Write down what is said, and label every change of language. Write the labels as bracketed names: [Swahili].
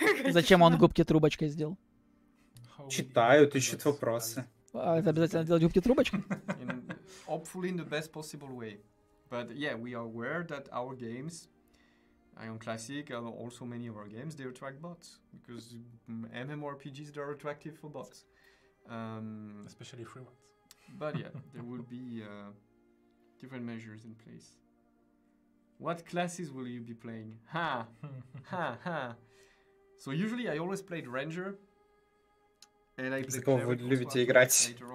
[Russian] Зачем он губки трубочкой сделал? Читают, ищут вопросы. Это обязательно делать губки трубочкой? [English] Hopefully in the best possible way. But yeah, we are aware that our games, Ion Classic, and also many of our games, they attract bots. Because MMORPGs, they are attractive for bots. Especially free ones. But yeah, there will be different measures in place. What classes will you be playing? Ha! Ha! Ha! So usually I always played Ranger. [Russian] За кого вы любите играть?